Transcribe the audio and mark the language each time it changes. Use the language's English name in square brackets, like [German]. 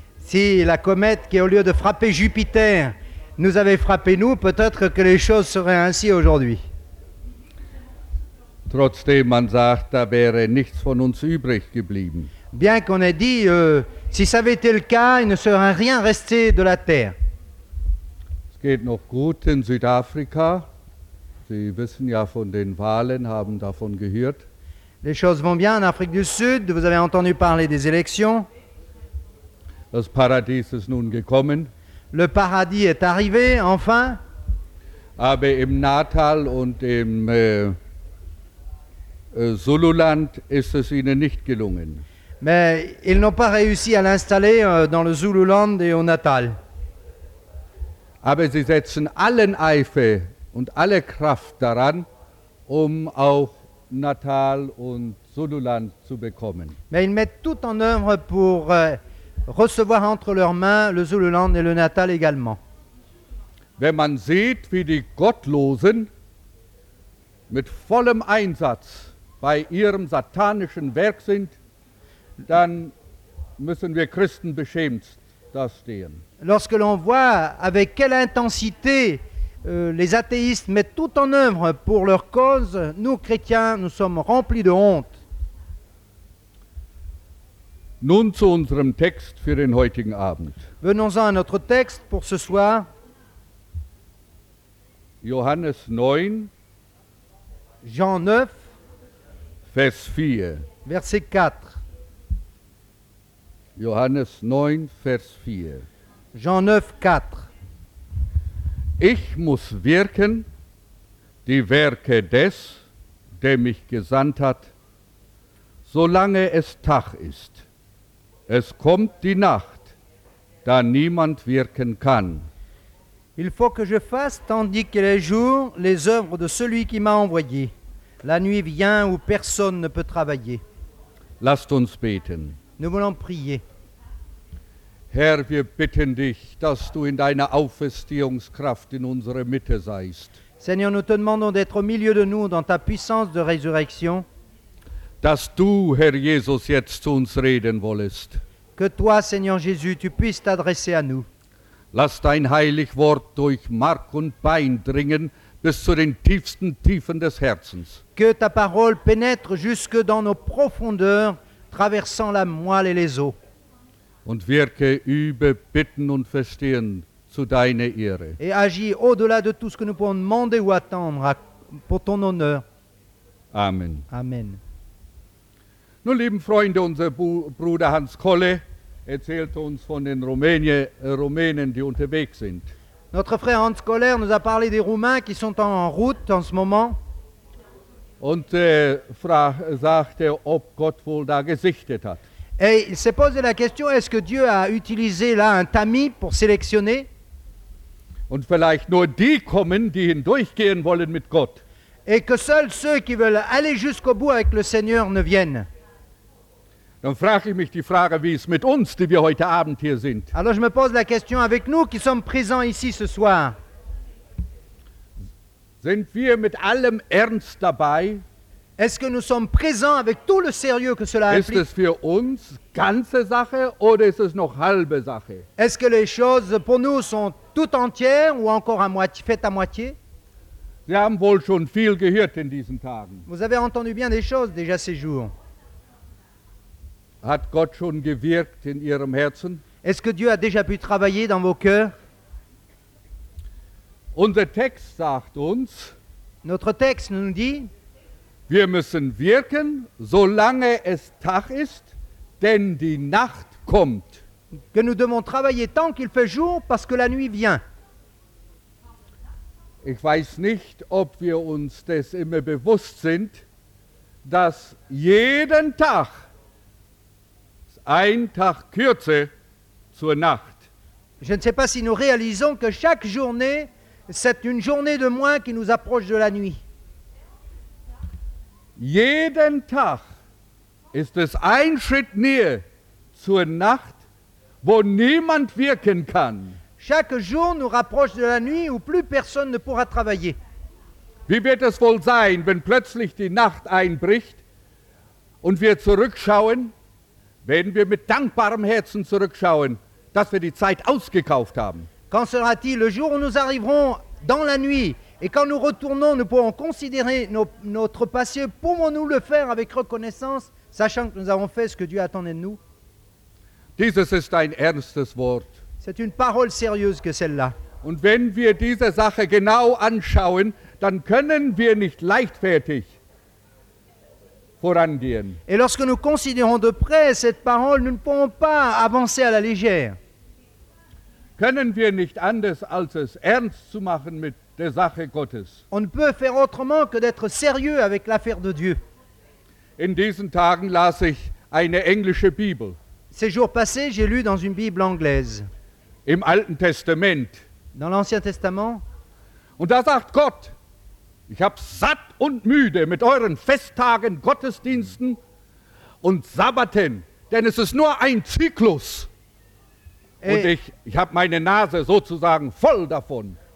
[French] Si la comète qui au lieu de frapper Jupiter nous avait frappé nous, peut-être que les choses seraient ainsi aujourd'hui. [German] Trotzdem, man sagt, da wäre nichts von uns übrig geblieben. [French] Bien qu'on ait dit, si ça avait été le cas, il ne serait rien resté de la Terre. [German] Es geht noch gut in Südafrika. Sie wissen ja von den Wahlen, haben davon gehört. [French] Les choses vont bien en Afrique du Sud, vous avez entendu parler des élections. [German] Das Paradies ist nun gekommen. [French] Le paradis est arrivé, enfin. [German] Aber im Natal und im Zululand ist es ihnen nicht gelungen. [French] Mais ils n'ont pas réussi à l'installer dans le Zululand et au Natal. [German] Aber sie setzen allen Eifer und alle Kraft daran, um auch Natal und Zululand zu bekommen. [French] Mais ils mettent tout en œuvre pour recevoir entre leurs mains le Zululand et le Natal également. [German] Wenn man sieht, wie die Gottlosen mit vollem Einsatz bei ihrem satanischen Werk sind, dann müssen wir Christen beschämt da stehen. [French] Lorsque l'on voit avec quelle intensité les athéistes mettent tout en œuvre pour leur cause, nous chrétiens, nous sommes remplis de honte. [German] Nun zu unserem Text für den heutigen Abend. [French] Venons-en à notre texte pour ce soir. [German] Johannes 9, [French] Jean 9, [German] Vers 4. [French] Verset 4. [German] Johannes 9, Vers 4. [French] Jean 9, 4. [German] Ich muss wirken die Werke des, der mich gesandt hat, solange es Tag ist. Es kommt die Nacht, da niemand wirken kann. [French] Il faut que je fasse, tandis qu'il est jour, les œuvres de celui qui m'a envoyé. La nuit vient où personne ne peut travailler. [German] Lasst uns beten. [French] Nous voulons prier. [German] Herr, wir bitten dich, dass du in deiner Auferstehungskraft in unsere Mitte seist. [French] Seigneur, nous te demandons d'être au milieu de nous dans ta puissance de résurrection. [German] Dass du, Herr Jesus, jetzt zu uns reden wollest. [French] Que toi, Seigneur Jésus, tu puisses t'adresser à nous. [German] Lass dein heilig Wort durch Mark und Bein dringen bis zu den tiefsten Tiefen des Herzens. [French] Que ta parole pénètre jusque dans nos profondeurs, traversant la moelle et les os. [German] Und wirke, übe, bitten und verstehen zu deiner Ehre. [French] Et agis au-delà de tout ce que nous pouvons demander ou attendre pour ton honneur. [German] Amen. [French] Amen. [German] Nun, lieben Freunde, unser Bruder Hans Kolle erzählte uns von den Rumänen, die unterwegs sind. [French] Notre frère Hans Kolle nous a parlé des Roumains qui sont en route en ce moment. [German] Und sagte, ob Gott wohl da gesichtet hat. [French] Et il s'est posé la question, est-ce que Dieu a utilisé là un tamis pour sélectionner? [German] Und vielleicht nur die kommen, die hindurchgehen wollen mit Gott. [French] Et que seuls ceux qui veulent aller jusqu'au bout avec le Seigneur ne viennent. [German] Dann frage ich mich die Frage, wie es mit uns, die wir heute Abend hier sind. [French] Alors je me pose la question avec nous qui sommes présents ici ce soir. [German] Sind wir mit allem Ernst dabei? [French] Est-ce que nous sommes présents avec tout le sérieux que cela implique? [German] Ist es für uns ganze Sache oder ist es noch halbe Sache? [French] Est-ce que les choses pour nous sont tout entières ou encore à moitié, faites à moitié? [German] Sie haben wohl schon viel gehört in diesen Tagen. [French] Vous avez entendu bien des choses déjà ces jours. [German] Hat Gott schon gewirkt in ihrem Herzen? [French] Est-ce que Dieu a déjà pu travailler dans vos cœurs? [German] Unser Text sagt uns, [French] notre texte nous dit, [German] wir müssen wirken, solange es Tag ist, denn die Nacht kommt. [French] Que nous devons travailler tant qu'il fait jour, parce que la nuit vient. [German] Ich weiß nicht, ob wir uns das immer bewusst sind, dass jeden Tag ein Tag kürzer zur Nacht. [French] Je ne sais pas si nous réalisons que chaque journée C'est une journée de moins qui nous approche de la nuit. [German] Jeden Tag ist es ein Schritt näher zur Nacht, wo niemand wirken kann. [French] Chaque jour nous rapproche de la nuit où plus personne ne pourra travailler. [German] Wie wird es wohl sein, wenn plötzlich die Nacht einbricht und wir zurückschauen? Werden wir mit dankbarem Herzen zurückschauen, dass wir die Zeit ausgekauft haben? [French] Quand sera-t-il le jour où nous arriverons dans la nuit et quand nous retournons, nous pourrons considérer notre passé, pouvons-nous le faire avec reconnaissance, sachant que nous avons fait ce que Dieu attendait de nous? [German] Dieses ist ein ernstes Wort. [French] C'est une parole sérieuse que celle-là. [German] Und wenn wir diese Sache genau anschauen, dann können wir nicht leichtfertig vorangehen. [French] Et lorsque nous considérons de près cette parole, nous ne pouvons pas avancer à la légère. [German] Können wir nicht anders, als es ernst zu machen mit der Sache Gottes. [French] On ne peut faire autrement que d'être sérieux avec l'affaire de Dieu. [German] In diesen Tagen las ich eine englische Bibel. [French] Ces jours passés, j'ai lu dans une Bible anglaise. [German] Im Alten Testament. [French] Dans l'Ancien Testament. [German] Und da sagt Gott, ich habe satt und müde mit euren Festtagen, Gottesdiensten und Sabbaten, denn es ist nur ein Zyklus. Und ich habe meine Nase sozusagen voll davon.